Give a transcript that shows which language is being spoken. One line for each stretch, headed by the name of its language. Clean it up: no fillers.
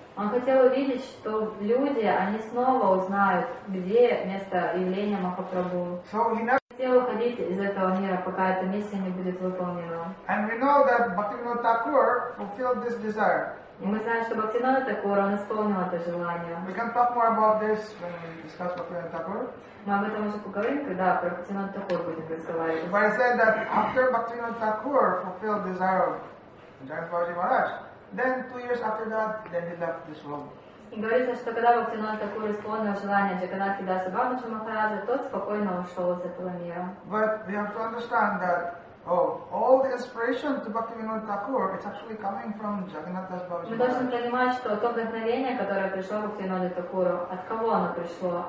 Russian: Он хотел увидеть, что люди, они снова узнают, где место явления Махапрабху.
English: So he never
Russian: хотел уходить из этого мира, пока эта миссия не будет выполнена.
English: And we know that Bhaktivinoda Thakur fulfilled this desire.
Russian: И мы знаем, что Бхактивинода Такур, он исполнил это желание.
English: We can talk more about this when we discuss Bhaktivinoda Thakur.
Russian: Мы об этом уже поговорим, когда про Бхактивинода Такур будем разговаривать.
English: But I said that after Bhaktivinoda Thakur fulfilled desire of Jayantwaji Maharaj, then 2 years after that, then he left this world.
Russian: И говорится, что когда Бхактивинода Такур исполнил желание Джаганнатха Даса Бабаджи Махараджа, тот спокойно ушел из этого мира.
English: But we have to understand that all the inspiration to Bhaktivinoda Thakur is actually coming from Jagannath Das Babaji.
Russian: Мы должны понимать, что то вдохновение, которое пришло Бхактивинода Такуру, от кого оно пришло?